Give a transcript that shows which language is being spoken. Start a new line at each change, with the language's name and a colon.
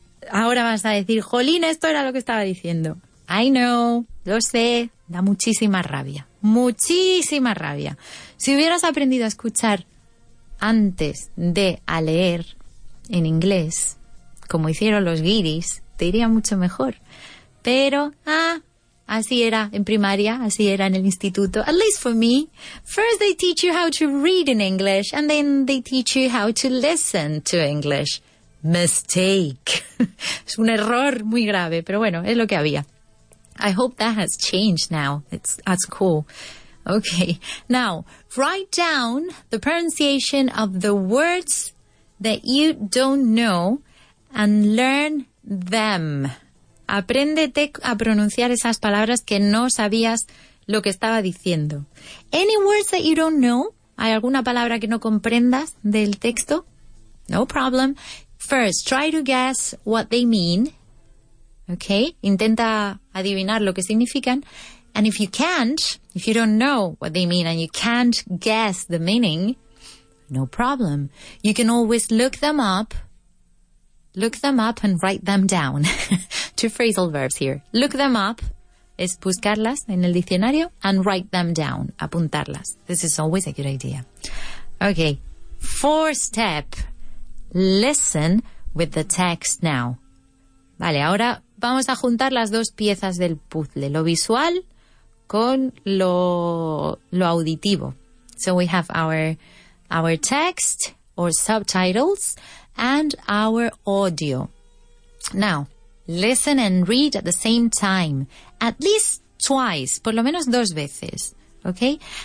Spanish: Ahora vas a decir, jolín, esto era lo que estaba diciendo.
English: I know,
Spanish: lo sé, da muchísima rabia, muchísima rabia. Si hubieras aprendido a escuchar antes de a leer en inglés, como hicieron los guiris, te iría mucho mejor. Pero, así era en primaria, así era en el instituto.
English: At least for me, first they teach you how to read in English and then they teach you how to listen to English. Mistake.
Spanish: Es un error muy grave, pero bueno, es lo que había.
English: I hope that has changed now. That's cool. Okay. Now, write down the pronunciation of the words that you don't know and learn them.
Spanish: Apréndete a pronunciar esas palabras que no sabías lo que estaba diciendo.
English: Any words that you don't know?
Spanish: ¿Hay alguna palabra que no comprendas del texto?
English: No problem. First, try to guess what they mean. Okay?
Spanish: Intenta adivinar lo que significan.
English: And if you can't, if you don't know what they mean and you can't guess the meaning, no problem. You can always look them up. Look them up and write them down. Two phrasal verbs here. Look them up
Spanish: es buscarlas en el diccionario
English: and write them down,
Spanish: apuntarlas.
English: This is always a good idea. Okay, fourth step. Listen with the text now.
Spanish: Vale, ahora vamos a juntar las dos piezas del puzzle. Lo visual con lo auditivo.
English: So we have our text or subtitles and our audio. Now, listen and read at the same time. At least twice,
Spanish: por lo menos dos veces,
English: okay?